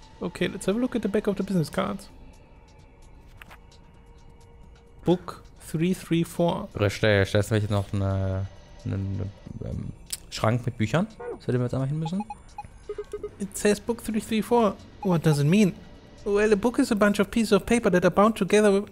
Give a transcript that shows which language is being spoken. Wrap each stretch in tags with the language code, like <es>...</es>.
<en>Okay, let's have a look at the back of the business cards. Book 334.</en> <de>Richtig, da ist nämlich noch ein Schrank mit Büchern. Das hätten wir jetzt einmal hin müssen.</de> <en>It says book 334. What does it mean? Well, a book is a bunch of pieces of paper that are bound together with...</en>